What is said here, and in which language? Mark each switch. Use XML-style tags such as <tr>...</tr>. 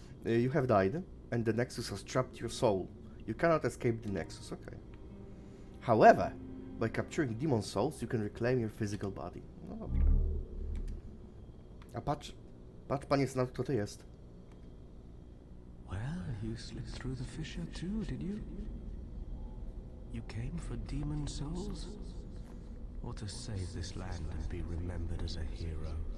<en>You have died, and the Nexus has trapped your soul. You cannot escape the Nexus, okej. Okay. However, by capturing demon souls, you can reclaim your physical body.</en> <pl>No dobra. A patrz panie, na to, kto to jest.</pl> <en>Well, you slipped through the fissure too, did you? You came for demon souls? Or to save this land and be remembered as a hero?</en>